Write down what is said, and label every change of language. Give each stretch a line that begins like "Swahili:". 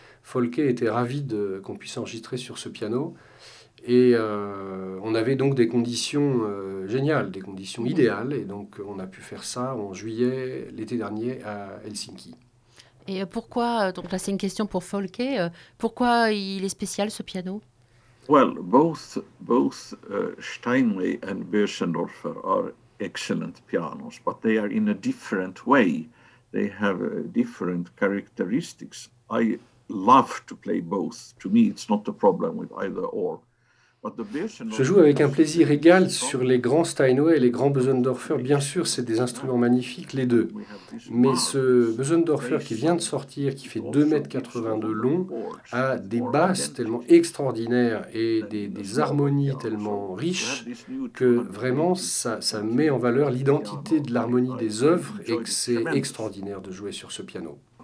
French: Folke était ravi qu'on puisse enregistrer sur ce piano. Et on avait donc des conditions géniales, des conditions idéales. Et donc, on a pu faire ça en juillet, l'été dernier, à Helsinki. Et pourquoi, donc là, c'est une question pour Folke, pourquoi il est spécial, ce piano ?
English: Well, both Steinway and Bösendorfer are excellent pianos, but they are in a different way. They have different characteristics. I love to play both. To me, it's not a problem with either or.
French: Je joue avec un plaisir égal sur les grands Steinway et les grands Bösendorfer. Bien sûr, c'est des instruments magnifiques, les deux. Mais ce Bösendorfer qui vient de sortir, qui fait 2,80 m de long, a des basses tellement extraordinaires et des harmonies tellement riches que vraiment, ça met en valeur l'identité de l'harmonie des œuvres et que c'est extraordinaire de jouer sur ce piano.